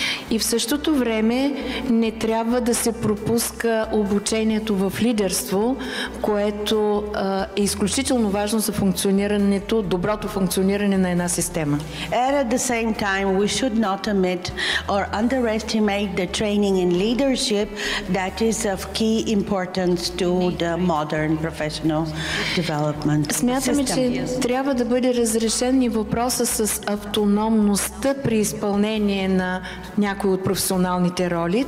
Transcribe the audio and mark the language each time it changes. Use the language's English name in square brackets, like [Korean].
[Bulgarian] И в същото време не трябва да се пропуска обучението в лидерство, което е изключително важно за функционирането, доброто функциониране на една система. [English] At the same time, we should not omit or underestimate the training in leadership that is of key importance to the modern professional development. [Bulgarian] Смятаме, че трябва да бъде разрешен и въпроса с автономността при изпълнение на някои от професионалните роли.